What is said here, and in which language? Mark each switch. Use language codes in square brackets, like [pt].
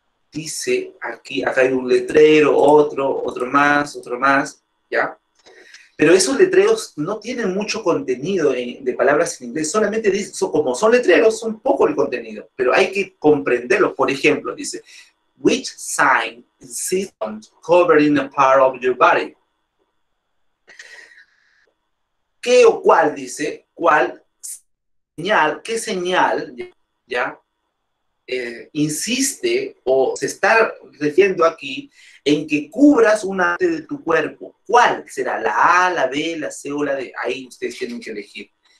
[es] Dice aquí, acá hay un letrero, otro más, ¿ya? Pero esos letreros no tienen mucho contenido de palabras en inglés, solamente dice, como son letreros, son poco el contenido, pero hay que comprenderlo. Por ejemplo, dice, [en] which sign is covering a part of your body? [es] ¿Qué o cuál, dice, cuál señal, qué señal, ya? Insiste o se está refiriendo aquí en que cubras una parte de tu cuerpo. ¿Cuál será? ¿La A, la B, la C o la D? Ahí ustedes tienen que elegir.